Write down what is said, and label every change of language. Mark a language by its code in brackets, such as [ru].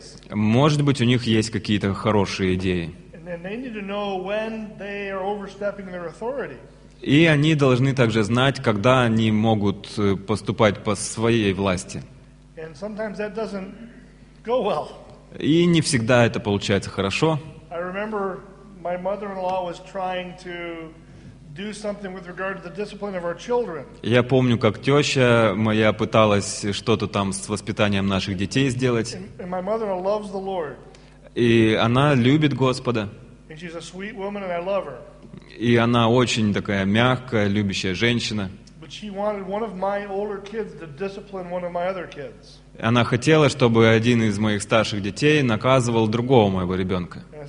[ru] Может быть, у них есть какие-то хорошие идеи. [en] And they need to know when they are overstepping their authority. [ru] И они должны также знать, когда они могут поступать по своей власти. [en] And sometimes that doesn't go well. [ru] И не всегда это получается хорошо. [en] I remember my mother-in-law was trying to do something with regard to the discipline of our children. [ru] Я помню, как теща моя пыталась что-то там с воспитанием наших детей сделать. [en] And my mother-in-law loves the Lord. [ru] И она любит Господа. [en] And she's a sweet woman, and I love her. [ru] И она очень такая мягкая, любящая женщина. [en] But she wanted one of my older kids to discipline one of my other kids. [ru] Она хотела, чтобы один из моих старших детей наказывал другого моего ребенка.